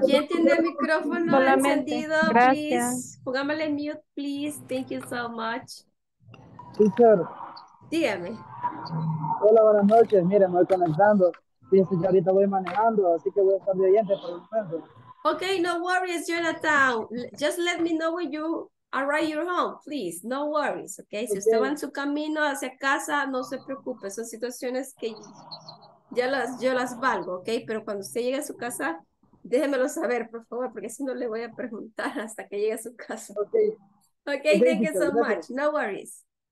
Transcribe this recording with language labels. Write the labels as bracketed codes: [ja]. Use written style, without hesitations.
[es] ¿Quién tiene el micrófono encendido? Gracias. Póngamele mute, [en] please. Thank you so much. Teacher. [es] Dígame. Hola, buenas noches. Mire, me voy conectando. Fíjense, yo ahorita voy manejando, así que voy a estar de oyente por el momento. [en] Okay, no worries, Jonathan. Just let me know when you arrive your home, please. No worries, okay? [es] Si usted va en su camino hacia casa, no se preocupe. Son situaciones que... Yo las valgo, ¿ok? Pero cuando usted llegue a su casa, déjemelo saber, por favor, porque si no le voy a preguntar hasta que llegue a su casa. [en] Ok, okay, thank you so much. No worries.